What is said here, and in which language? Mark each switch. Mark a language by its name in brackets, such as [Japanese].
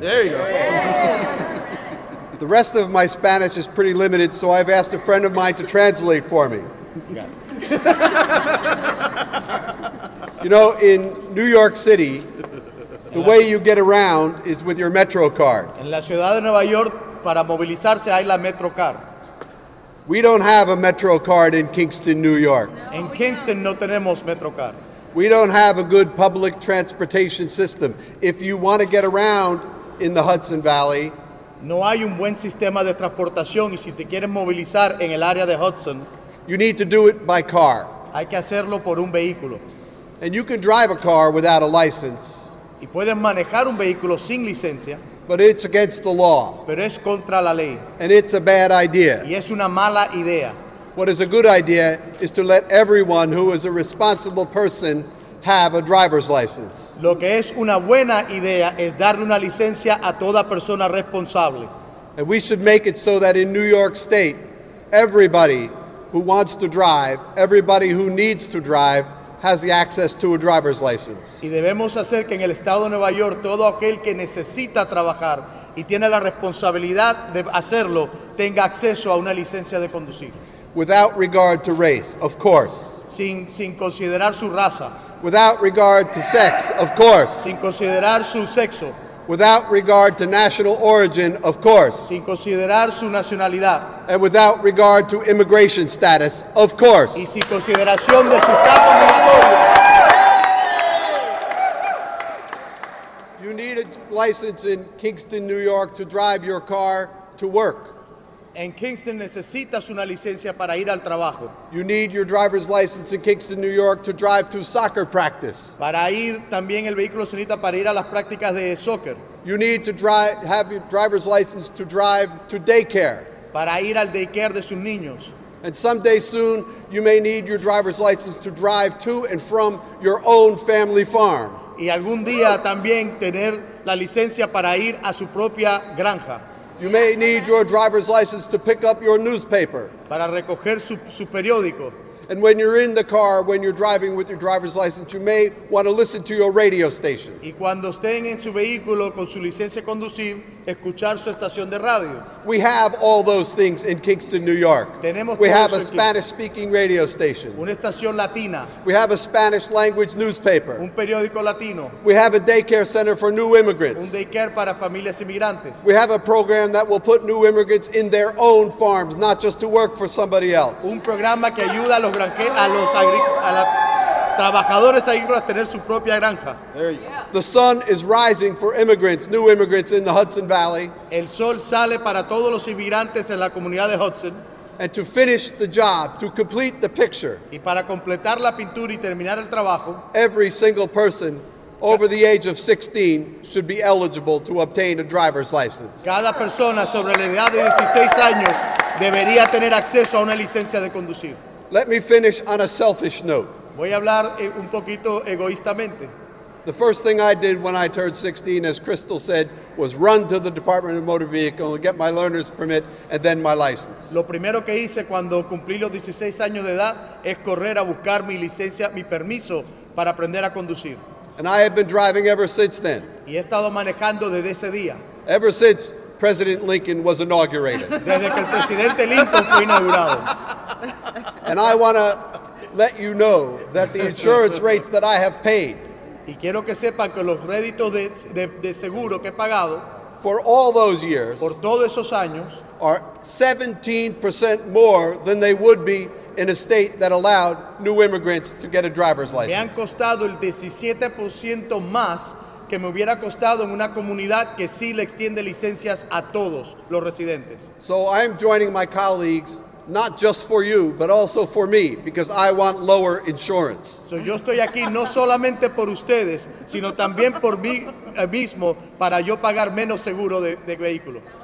[English] There you go. The rest of my Spanish is pretty limited, so I've asked a friend of mine to translate for me. You know, in New York City, the way you get around is with your Metro card. [Spanish] En la ciudad de Nueva York, para movilizarse hay la Metro card. [English] We don't have a Metro card in Kingston, New York. [Spanish] No, en Kingston don't. No tenemos Metro card. [English] We don't have a good public transportation system. If you want to get around in the Hudson Valley, [Spanish] no hay un buen sistema de transportación, y si te quieres movilizar en el área de Hudson, [English] you need to do it by car. [Spanish] Hay que hacerlo por un vehículo. [English] And you can drive a car without a license. [Spanish] Y puedes manejar un vehículo sin licencia. [English] But it's against the law. [Spanish] Pero es contra la ley. [English] And it's a bad idea. [Spanish] Y es una mala idea. [English] What is a good idea is to let everyone who is a responsible person have a driver's license. [Spanish] Lo que es una buena idea es darle una licencia a toda persona responsable. [English] And we should make it so that in New York State, everybody who wants to drive, everybody who needs to drive, has the access to a driver's license. [Spanish] Y debemos hacer que en el estado de Nueva York todo aquel que necesita trabajar y tiene la responsabilidad de hacerlo tenga acceso a una licencia de conducir. [English] Without regard to race, of course. [Spanish] Sin considerar su raza. [English] Without regard to sex, of course. [Spanish] Sin considerar su sexo. [English] Without regard to national origin, of course. [Spanish] Sin considerar su nacionalidad. [English] And without regard to immigration status, of course. [Spanish] Y sin consideración de su estatus migratorio. [English] You need a license in Kingston, New York to drive your car to work. [Spanish] En Kingston necesitas una licencia para ir al trabajo. [English] You need your driver's license in Kingston, New York to drive to soccer practice. [Spanish] Para ir también el vehículo se necesita para ir a las prácticas de soccer. [English] You need to have your driver's license to drive to daycare. [Spanish] Para ir al daycare de sus niños. [English] And someday soon, you may need your driver's license to drive to and from your own family farm. [Spanish] Y algún día también tener la licencia para ir a su propia granja. [English] You may need your driver's license to pick up your newspaper. [Spanish] Para recoger su periódico. [English] And when you're in the car, when you're driving with your driver's license, you may want to listen to your radio station. [Spanish] Y cuando estén en su vehículo con su licencia de conducir, escuchar su estación de radio. [English] We have all those things in Kingston, New York. [Spanish] Tenemos [English] we have a Spanish-speaking radio station. [Spanish] Una estación latina. [English] We have a Spanish-language newspaper. [Spanish] Un periódico latino. [English] We have a daycare center for new immigrants. [Spanish] Un daycare para familias inmigrantes. [English] We have a program that will put new immigrants in their own farms, not just to work for somebody else. [Spanish] Un programa que ayuda a los trabajadores agrícolas tener su propia granja. [English] The sun is rising for immigrants, new immigrants in the Hudson Valley. [Spanish] El sol sale para todos los inmigrantes en la comunidad de Hudson. [English] And to finish the job, to complete the picture. [Spanish] Y para completar la pintura y terminar el trabajo. [English] Every single person over the age of 16 should be eligible to obtain a driver's license. [Spanish] Cada persona sobre la edad de 16 años debería tener acceso a una licencia de conducir. [English] Let me finish on a selfish note. [Spanish] Voy a hablar un poquito egoístamente. [English] The first thing I did when I turned 16, as Crystal said, was run to the Department of Motor Vehicle and get my learner's permit and then my license. [Spanish] Lo primero que hice cuando cumplí los 16 años de edad es correr a buscar mi licencia, mi permiso para aprender a conducir. [English] And I have been driving ever since then. [Spanish] Y he estado manejando desde ese día. [English] Ever since President Lincoln was inaugurated. [Spanish] Desde que el presidente Lincoln fue inaugurado. [English] And I want to let you know that the insurance rates that I have paid. [Spanish] Y quiero que sepan que los réditos de seguro que he pagado [English] for all those years [Spanish] por todos esos años [English] are 17% more than they would be in a state that allowed new immigrants to get a driver's license. [Spanish] Me han costado el 17% más que me hubiera costado en una comunidad que sí le extiende licencias a todos los residentes. [English] So I am joining my colleagues not just for you, but also for me, because I want lower insurance. [Spanish] So yo estoy aquí no solamente por ustedes, sino también por mí mismo, para yo pagar menos seguro de vehículo.